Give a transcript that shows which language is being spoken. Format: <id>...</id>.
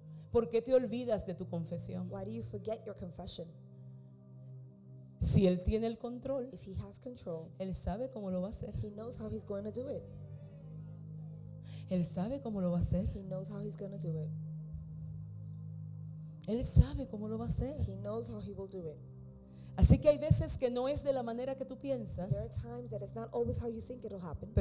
<es>¿Por qué te olvidas de tu confesión?</es> <en>Why do you forget your confession?</en> <es>Si él tiene el control,</es> <en>if he has control,</en> <es>él sabe cómo lo va a hacer.</es> <en>He knows how he's going to do it.</en> <es>Él sabe cómo lo va a hacer.</es> <en>He knows how he's going to do it.</en> <es>Él sabe cómo lo va a hacer.</es> <en>He knows how he will do it.</en> <es>Así que hay veces que no es de la manera que tú piensas.</es> <en>There are times that it's not always how you think it'll happen.</en>